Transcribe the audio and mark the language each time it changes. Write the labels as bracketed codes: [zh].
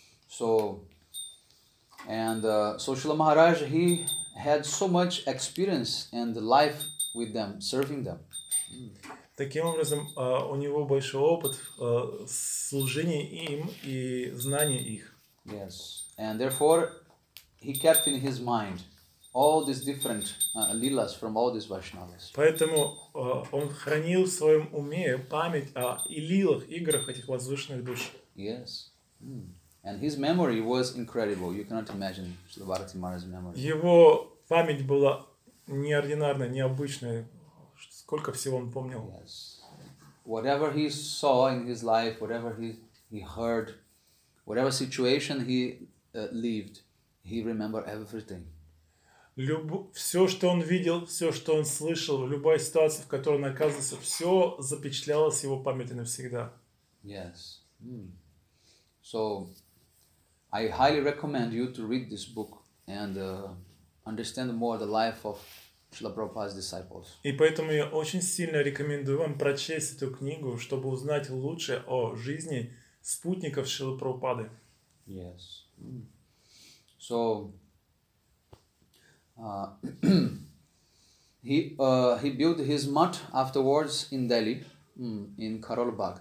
[en] So, and so Śrīla Mahārāj, he had so much experience and life with them, serving them. [ru] Таким образом, у него большой опыт служения им и знания их. [en] Yes, and therefore, he kept in his mind all these different lilas from all these Vaishnavas. [ru] Поэтому он хранил в своем уме память о лилах, играх этих возвышенных душ. [en] Yes. And his memory was incredible. You cannot imagine Śrīla Bhārati Mahārāja's memory. [ru] Его память была неординарная, необычная. Сколько всего он помнил. [en] Yes. Whatever he saw in his life, whatever he heard, whatever situation he lived, he remembered everything. [ru] Все, что он видел, все, что он слышал, любая ситуация, в которой он оказывался, все запечатлялось в его памяти навсегда. [en] Yes. So, I highly recommend you to read this book and understand more the life of Śrīla Prabhupāda's disciples. [ru] И поэтому я очень сильно рекомендую вам прочесть эту книгу, чтобы узнать лучше о жизни спутников Śrīla Prabhupāda. [en] Yes. So he built his mutt afterwards in Delhi, in Karol Bagh.